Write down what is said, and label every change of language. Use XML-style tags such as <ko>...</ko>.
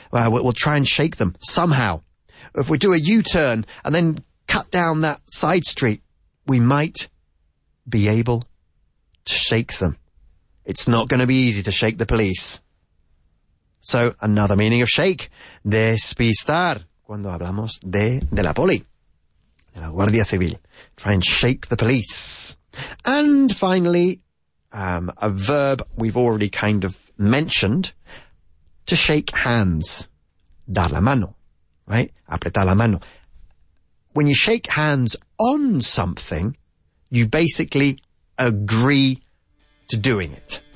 <en>We'll try and shake them somehow. If we do a U-turn and then cut down that side street, we might be able to shake them. It's not going to be easy to shake the police. So, another meaning of shake.</en> <es>Despistar. Cuando hablamos de la poli. De la Guardia Civil.</es> <en>Try and shake the police. And finally, a verb we've already kind of mentioned. To shake hands.</en> <es>Dar la mano.</es> <en>Right?</en> <es>Apretar la mano.</es> <en>When you shake hands on something, you basically agree to doing it.</en>